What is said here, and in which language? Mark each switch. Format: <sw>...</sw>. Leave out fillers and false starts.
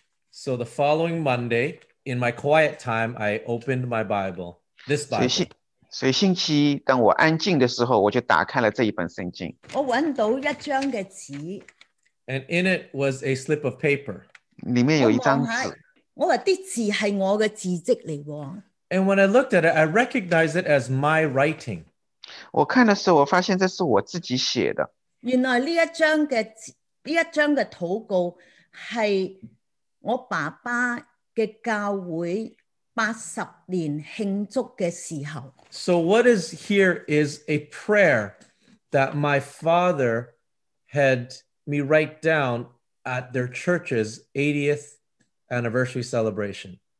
<en>So the following Monday, in my quiet time, I opened my Bible, this Bible.</en> <zh>所以星期当我安静的时候，我就打开了这一本圣经。我找到一张的纸。</zh> <en>And in it was a slip of paper.</en> <zh>里面有一张纸。</zh> <en>And when I looked at it, I recognized it as my writing.</en> <zh>我看的时候，我发现这是我自己写的。原来这一张的祷告是我爸爸的教会80年庆祝的时候。</zh> <en>So what is here is a prayer that my father had me write down at their church's 80th anniversary celebration.</en>